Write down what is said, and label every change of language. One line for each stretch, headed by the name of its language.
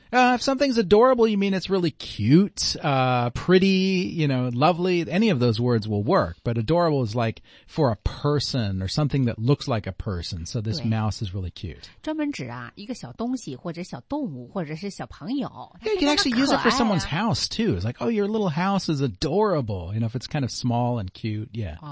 English: If something's adorable, you mean it's really cute, pretty, you know, lovely. Any of those words will work. But adorable is like for a person or something that looks like a person. So this mouse is really cute.
Chinese: 专门指啊一个小东西或者小动物或者是小朋友。
English: Yeah, you can actually use it for someone's house too. It's like, oh, your little house is adorable. You know, if it's kind of small and cute, yeah.